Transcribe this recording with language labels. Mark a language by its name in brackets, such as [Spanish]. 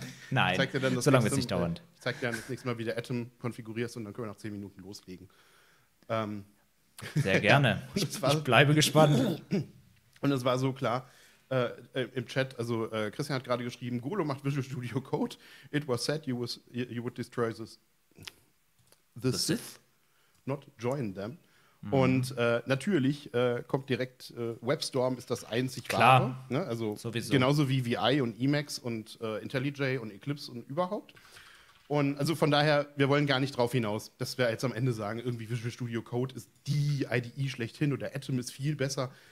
[German] Nein, so lange wird es nicht dauern. Ich zeig dir dann das nächste Mal, wie du Atom konfigurierst und dann können wir nach 10 Minuten loslegen. Sehr gerne. ich bleibe gespannt. Und es war so klar, im Chat, also Christian hat gerade geschrieben, Golo macht Visual Studio Code. [English] It was said you would destroy the Sith, not join them. [German] Und natürlich kommt direkt, WebStorm ist das einzig Wahre. Ne? Also sowieso. Genauso wie VI und Emacs und IntelliJ und Eclipse und überhaupt. Und also von daher, wir wollen gar nicht drauf hinaus, dass wir jetzt am Ende sagen, irgendwie Visual Studio Code ist die IDE schlechthin oder Atom ist viel besser.